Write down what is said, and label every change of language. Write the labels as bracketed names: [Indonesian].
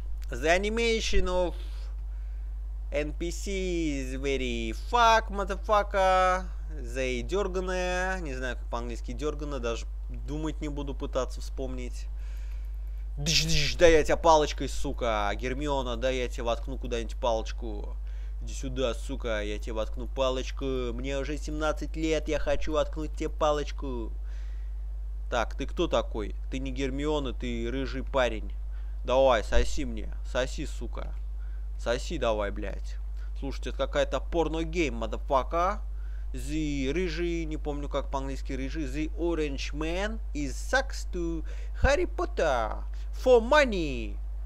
[English] The animation of NPC is very fuck, motherfucker. They [Russian] дерганая. Не знаю, как по-английски дерганая. Даже думать не буду, пытаться вспомнить. Дж-дж-дж, дай я тебя палочкой, сука. Гермиона, дай я тебе воткну куда-нибудь палочку. Иди сюда, сука, я тебе воткну палочку. Мне уже 17 лет, я хочу воткнуть тебе палочку. Так, ты кто такой? Ты не Гермиона, ты рыжий парень. Давай, соси мне. Соси, сука. Соси давай, блядь. Слушайте, это какая-то порно-гейм, мадафака. The рыжий, не помню как по-английски рыжий. [English] The orange man is sucks to Harry Potter for money.